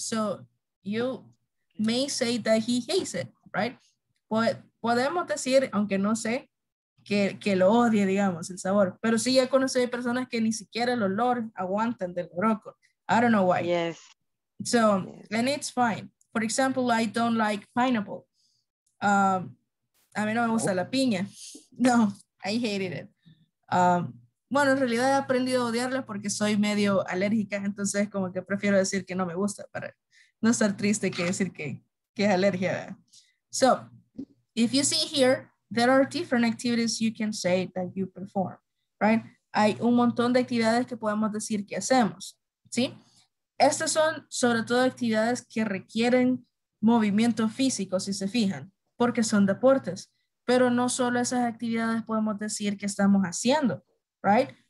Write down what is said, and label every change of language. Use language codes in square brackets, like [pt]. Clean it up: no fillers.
[en] So you may say that he hates it, right? [es] Podemos decir, aunque no sé, que lo odie, digamos, el sabor. Pero sí, ya conocí personas que ni siquiera el olor aguantan del loroco. [en] I don't know why. Yes. So, yes. And it's fine. For example, I don't like pineapple. [es] A mí no me gusta la piña. No, [en] I hated it. [es] Bueno, en realidad he aprendido a odiarla porque soy medio alérgica, entonces como que prefiero decir que no me gusta para no estar triste que decir que es alergia. [en] So, if you see here, there are different activities you can say that you perform, right? [es] Hay un montón de actividades que podemos decir que hacemos, ¿sí? Estas son sobre todo actividades que requieren movimiento físico, si se fijan, porque son deportes. Pero no solo esas actividades podemos decir que estamos haciendo. Right?